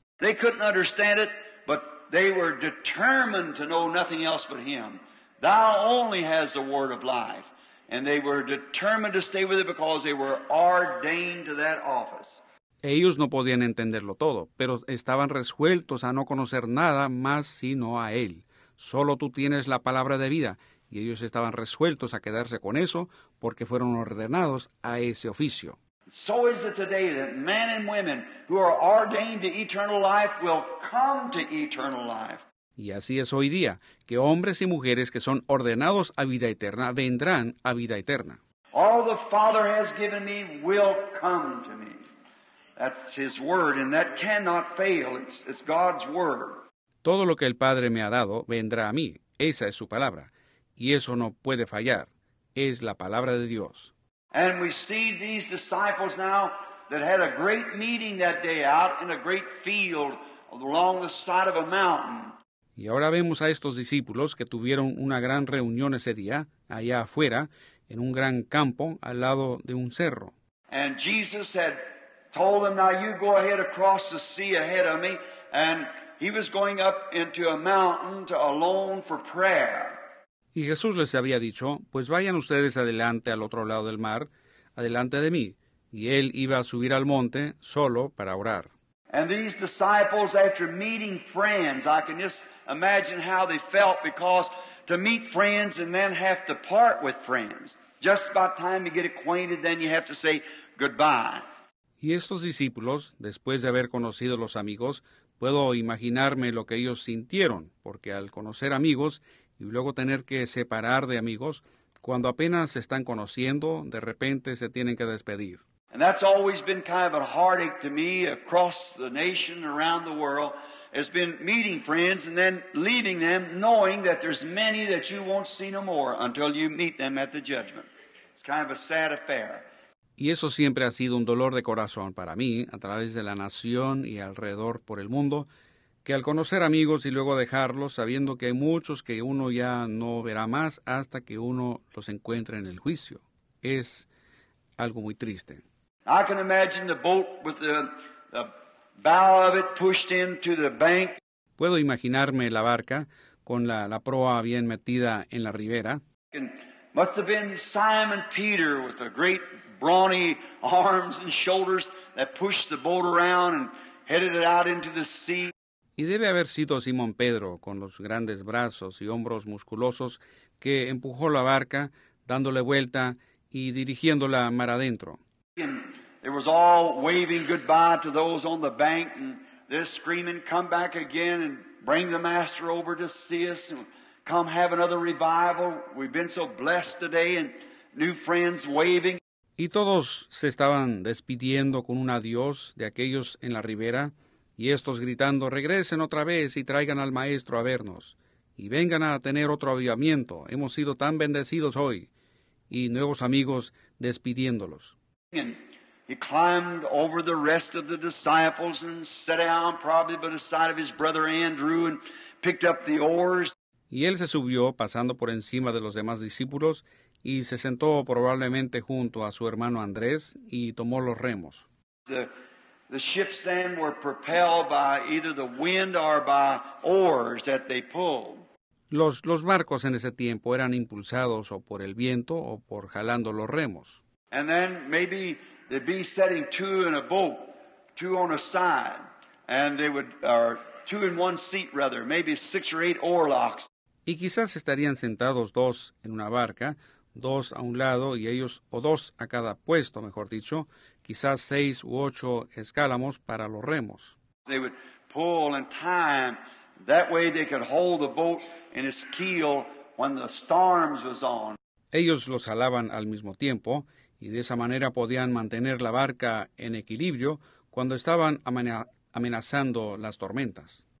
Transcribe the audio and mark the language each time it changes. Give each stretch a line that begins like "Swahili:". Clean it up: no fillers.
English: They couldn't understand it, but they were determined to know nothing else but Him. Thou only has the word of life. And they were determined to stay with it because they were ordained to that office.
Spanish: Ellos no podían entenderlo todo, pero estaban resueltos a no conocer nada más sino a Él. Solo tú tienes la palabra de vida. Y ellos estaban resueltos a quedarse con eso porque fueron ordenados a ese oficio.
English: So is it today that men and women who are ordained to eternal life will come to eternal life.
Spanish: Y así es hoy día, que hombres y mujeres que son ordenados a vida eterna vendrán a vida eterna.
English: All the Father has given me will come to me. That's His word, and that cannot fail. It's God's word.
Spanish: Todo lo que el Padre me ha dado vendrá a mí. Esa es su palabra. Y eso no puede fallar. Es la palabra de Dios.
English: And we see these disciples now that had a great meeting that day out in a great field along the side of a mountain.
Spanish: Y ahora vemos a estos discípulos que tuvieron una gran reunión ese día, allá afuera, en un gran campo al lado de un cerro.
English: And Jesus had told them, now you go ahead across the sea ahead of me. And he was going up into a mountain to alone for prayer.
Spanish: Y Jesús les había dicho, pues vayan ustedes adelante al otro lado del mar, adelante de mí. Y él iba a subir al monte solo para orar.
English: And these disciples, after meeting friends, I can just imagine how they felt, because to meet friends and then have to part with friends. Just about time to get acquainted, then you have to say goodbye.
Spanish: Y estos discípulos, después de haber conocido los amigos, puedo imaginarme lo que ellos sintieron, porque al conocer amigos y luego tener que separar de amigos, cuando apenas se están conociendo, de repente se tienen que despedir.
English: And that's always been kind of a heartache to me across the nation, around the world, has been meeting friends and then leaving them, knowing that there's many that you won't see no more until you meet them at the judgment. It's kind of a sad affair.
Spanish: Y eso siempre ha sido un dolor de corazón para mí, a través de la nación y alrededor por el mundo, que al conocer amigos y luego dejarlos, sabiendo que hay muchos que uno ya no verá más hasta que uno los encuentre en el juicio, es algo muy triste.
English: I can imagine the boat with the bow of it pushed into the bank.
Spanish: Puedo imaginarme la barca con la proa bien metida en la ribera.
English: And must have been Simon Peter with the great brawny arms and shoulders that pushed the boat around and headed it out into the sea.
Spanish: Y debe haber sido Simón Pedro, con los grandes brazos y hombros musculosos, que empujó la barca, dándole vuelta y dirigiéndola mar adentro.
English: It was all waving goodbye to those on the bank, and they're screaming, "Come back again and bring the master over to see us, and come have another revival. We've been so blessed today," and new friends waving.
Spanish: Y todos se estaban despidiendo con un adiós de aquellos en la ribera, y estos gritando, "Regresen otra vez y traigan al maestro a vernos, y vengan a tener otro avivamiento. Hemos sido tan bendecidos hoy." Y nuevos amigos despidiéndolos.
English: And he climbed over the rest of the disciples and sat down probably by the side of his brother Andrew and picked up the oars.
Spanish: Y él se subió pasando por encima de los demás discípulos y se sentó probablemente junto a su hermano Andrés y tomó los remos.
English: The ships then were propelled by either the wind or by oars that they pulled.
Spanish: Los barcos en ese tiempo eran impulsados o por el viento o por jalando los remos.
English: And then maybe they'd be setting two in a boat, two on a side, and they would, or two in one seat rather, maybe six or eight oarlocks.
Spanish: Y quizás estarían sentados dos en una barca, dos a un lado y ellos, o dos a cada puesto, mejor dicho, quizás seis u ocho escálamos para los remos.
English: They would pull and time, that way they could hold the boat in its keel when the storms was on.
Spanish: Ellos los jalaban al mismo tiempo, y de esa manera podían mantener la barca en equilibrio cuando estaban amenazando las tormentas.